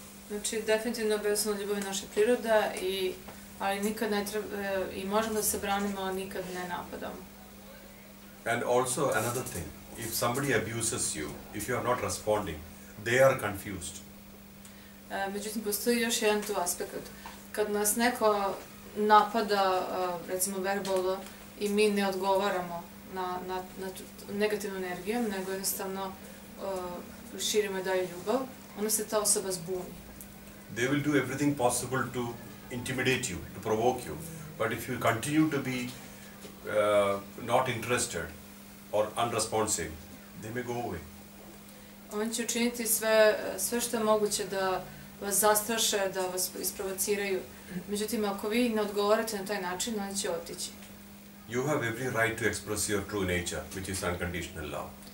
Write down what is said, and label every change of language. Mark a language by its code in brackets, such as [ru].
[sr] Znači, definitivno bezosnovna ljubav je naša priroda, ali nikad ne treba, i možemo da se branimo, ali nikad ne napadamo. [en] And also, another thing. If somebody abuses you, if you are not responding, they are confused. [sr] Međutim, postoji još jedan tu aspekt. Kad nas neko napada, recimo verbalno, i mi ne odgovaramo na negativnu energiju, nego jednostavno širimo i dalje ljubav, onda se ta osoba zbuni. [en] They will do everything possible to intimidate you, to provoke you. But if you continue to be not interested, or unresponsive, they may go away. [sr] Oni će učiniti sve što je moguće da vas zastraše, da vas isprovociraju. Međutim, ako vi ne odgovarate na taj način, oni će otići. [en] You have every right to express your true nature, which is unconditional love.